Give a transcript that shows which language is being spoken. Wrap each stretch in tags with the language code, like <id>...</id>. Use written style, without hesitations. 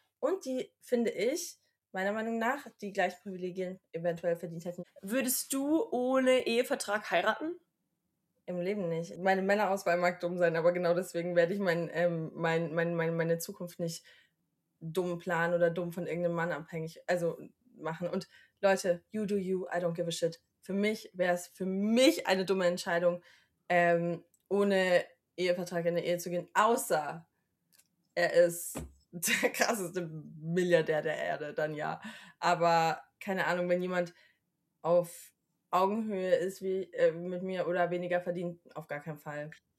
<de>Und die, finde ich, meiner Meinung nach, die gleichen Privilegien eventuell verdient hätten. Würdest du ohne Ehevertrag heiraten? Im Leben nicht. Meine Männerauswahl mag dumm sein, aber genau deswegen werde ich meine Zukunft nicht dumm planen oder dumm von irgendeinem Mann abhängig, also machen. Und Leute,</de> <en>you do you, I don't give a shit.</en> <de>Für mich wäre es für mich eine dumme Entscheidung, ohne Ehevertrag in eine Ehe zu gehen, außer er ist der krasseste Milliardär der Erde, dann ja. Aber keine Ahnung, wenn jemand auf Augenhöhe ist wie mit mir oder weniger verdient, auf gar keinen Fall.</de>